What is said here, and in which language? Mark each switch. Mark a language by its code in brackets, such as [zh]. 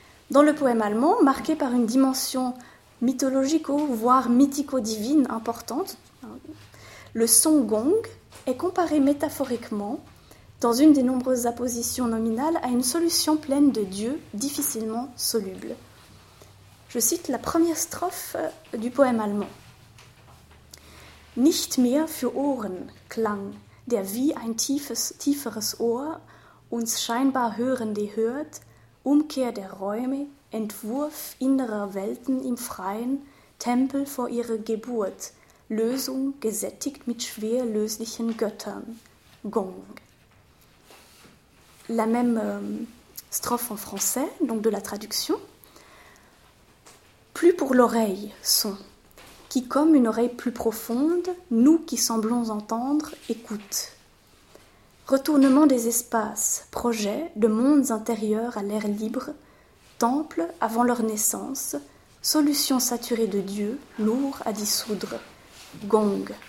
[fr] Dans le poème allemand, marqué par une dimension mythologico, voire mythico-divine importante, le son gong est comparé métaphoriquement dans une des nombreuses appositions nominales, à une solution pleine de dieux difficilement soluble. Je cite la première strophe du poème allemand. [de] « Nicht mehr für Ohren klang, der wie ein tieferes Ohr uns scheinbar hörende hört, Umkehr der Räume, Entwurf innerer Welten im Freien, Tempel vor ihrer Geburt, Lösung gesättigt mit schwer löslichen Göttern, Gong. » [fr] La même strophe en français, donc de la traduction. Plus pour l'oreille, son. qui, comme une oreille plus profonde, nous qui semblons entendre, écoute. Retournement des espaces, projets, de mondes intérieurs à l'air libre, temples avant leur naissance, solutions saturées de dieux, lourds à dissoudre. Gong.